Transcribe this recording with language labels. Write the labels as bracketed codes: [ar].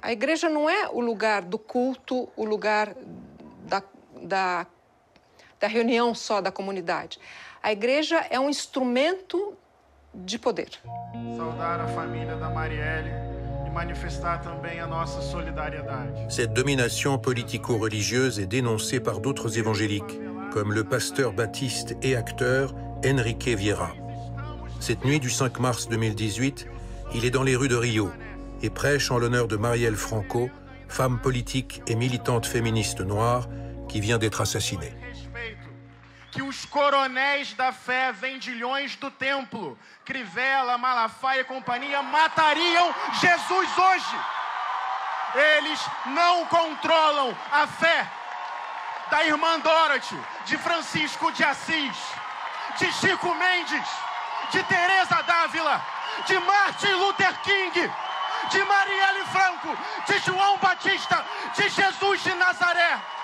[pt] A igreja não é o lugar do culto, o lugar da reunião só da comunidade. A igreja é um instrumento de poder. Saudar a família da Marielle e manifestar também a nossa solidariedade. [fr] Cette domination politico-religieuse est dénoncée par d'autres évangéliques, comme le pasteur baptiste et acteur Enrique Vieira. Cette nuit du 5 mars 2018, il est dans les rues de Rio et prêche en l'honneur de Marielle Franco, femme politique et militante féministe noire qui vient d'être assassinée. [pt] Que os coronéis da fé vendilhões do templo, Crivella, Malafaia e companhia, matariam Jesus hoje. Eles não controlam a fé da irmã Dorothy, de Francisco de Assis, de Chico Mendes, de Teresa d'Ávila, de Martin Luther King, de Marielle Franco, de João Batista, de Jesus de Nazaré.